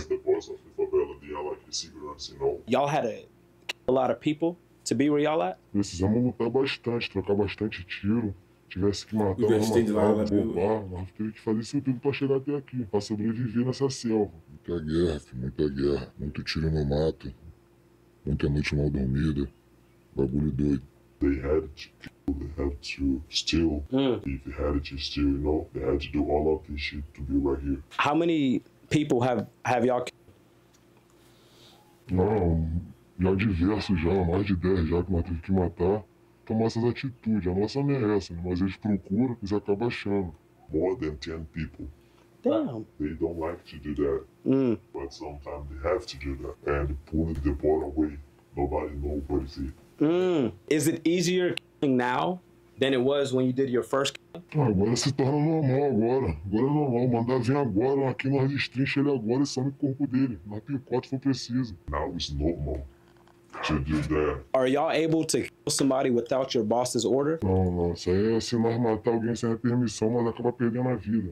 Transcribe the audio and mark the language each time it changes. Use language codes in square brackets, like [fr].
[en] The boss of the favela, they are like the segurança, you know? Y'all had a lot of people to be where y'all at? [pt] Precisamos lutar bastante, trocar bastante tiro. Tivesse que matar, roubar, nós tivemos que fazer isso tudo pra chegar até aqui, pra sobreviver nessa selva. Muita guerra, muito tiro no mato, muita noite mal dormida, bagulho doido. [en] they had to kill, they had to steal. If they had to steal, you know, they had to do all of this shit to be right here. How many people have y'all killed? [pt] Já diversos já, mais de 10 já que nós tivemos que matar. Tomar essas atitudes, a nossa não é essa, né? Mas eles procuram, eles acabam achando. [en] More than 10 people. Damn. They don't like to do that. But sometimes they have to do that. And pulling the boy away, nobody knows what is it. Is it easier killing now than it was when you did your first kill? [pt] Agora se torna normal agora. Agora é normal, mandar vir agora, aqui nós destrincha ele agora e some o corpo dele. Na picote se for preciso. [en] Now it's normal to do that. Are y'all able to kill somebody without your boss's order? [pt] Não, não. Isso aí é se nós matar alguém sem a permissão, nós acaba perdendo a vida.